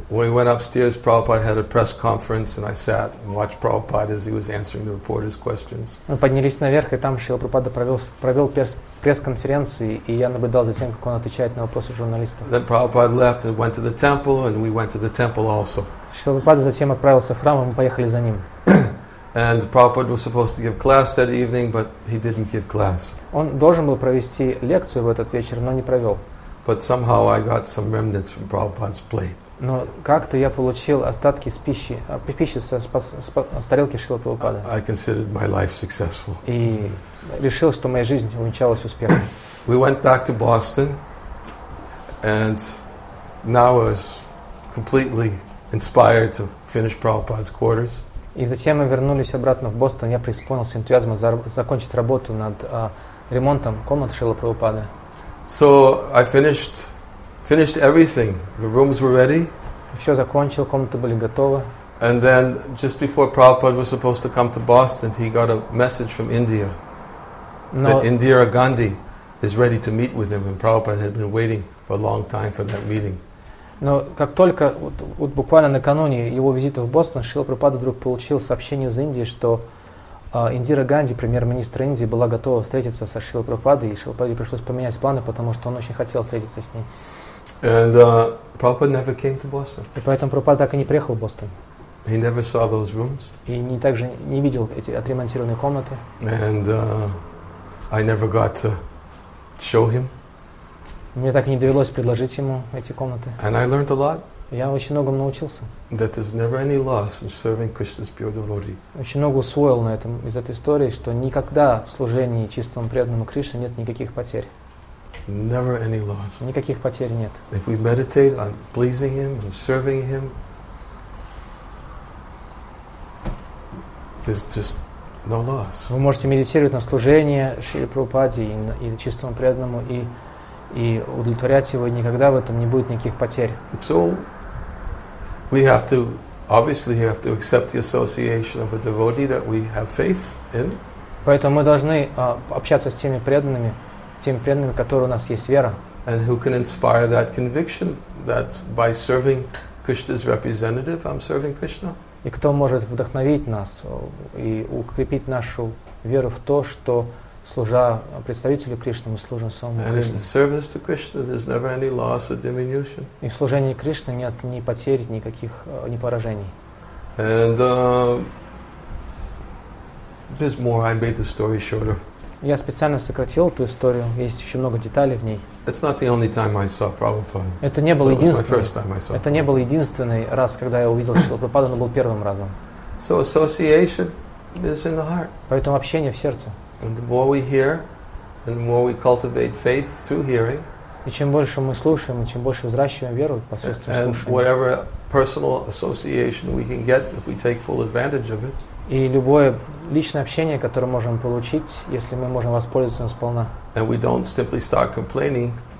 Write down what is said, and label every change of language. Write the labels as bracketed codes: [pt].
[en] We went upstairs. Prabhupada had a press conference, and I sat and watched Prabhupada as he was answering the reporters' questions. [ru] Мы поднялись наверх, и там Шрила Прабхупада провел пресс-конференцию, и я наблюдал за тем, как он отвечает на вопросы журналистов. [en] Then Prabhupada left and went to the temple, and we went to the temple also. [ru] Шрила Прабхупада затем отправился в храм, и мы поехали за ним. [en] And Prabhupada was supposed to give class that evening, but he didn't give class. [ru] Он должен был провести лекцию в этот вечер, но не провел. [en] But somehow I got some remnants from Prabhupada's plate. [ru] Но как-то я получил остатки пищи с тарелки Шрилы Прабхупады. [en] I considered my life successful. [ru] И решил, что моя жизнь увенчалась успехом. [en] We went back to Boston, and now I was completely inspired to finish Prabhupada's quarters. [ru] И затем мы вернулись обратно в Бостон. Я преисполнился энтузиазма закончить работу над ремонтом комнат Шрилы Прабхупады. [en] So I finished everything. The rooms were ready. [ru] Все закончил, комнаты были готовы. [en] And then just before Prabhupada was supposed to come to Boston, he got a message from India that Indira Gandhi is ready to meet with him, and Prabhupada had been waiting for a long time for that meeting. [ru] Но как только, вот буквально накануне его визита в Бостон, Шрила Прабхупада вдруг получил сообщение из Индии, что Индира Ганди, премьер-министр Индии, была готова встретиться со Шрилой Прабхупадой, и Шрила Прабхупаде пришлось поменять планы, потому что он очень хотел встретиться с ней. [en] And, Prabhupada never came to Boston. [ru] И поэтому Прабхупада так и не приехал в Бостон. [en] He never saw those rooms. [ru] И также не видел эти отремонтированные комнаты. [en] And, I never got to show him. [ru] Мне так и не довелось предложить ему эти комнаты. [en] And I learned a lot. [ru] Я очень многому научился. [en] That there's never any loss in serving Krishna's pure devotee. [ru] Очень много усвоил на этом из этой истории, что никогда в служении чистому преданному Кришне нет никаких потерь. [en] Never any loss. [ru] Никаких потерь нет. [en] If we meditate on pleasing Him and serving Him, there's just no loss. [ru] Вы можете медитировать на служение Шриле Прабхупаде и чистому преданному и удовлетворять его, и никогда в этом не будет никаких потерь. [en] So, we have to, obviously, we have to accept the association of a devotee that we have faith in. [ru] Поэтому мы должны общаться с теми преданными, которые у нас есть вера. [en] And who can inspire that conviction that by serving Krishna's representative, I'm serving Krishna? [ru] И кто может вдохновить нас и укрепить нашу веру в то, что служа представителю Кришны, мы служим самому Кришне. И в служении Кришне нет ни потерь, никаких ни поражений. [en] And there's more. I made the story shorter. [ru] Я специально сократил эту историю. Есть еще много деталей в ней. [en] It's not the only time I saw Prabhupada. [ru] Это не был единственный. Это не был единственный раз, когда я увидел Шрила Прабхупаду, но был первым разом. [en] So association is in the heart. [ru] Поэтому общение в сердце. [en] And the more we hear, and the more we cultivate faith through hearing. [ru] И чем больше мы слушаем, и чем больше взращиваем веру посредством слушания. [en] And whatever personal association we can get if we take full advantage of it. [ru] И любое личное общение, которое можем получить, если мы можем воспользоваться им сполна. [en] And we don't simply start complaining.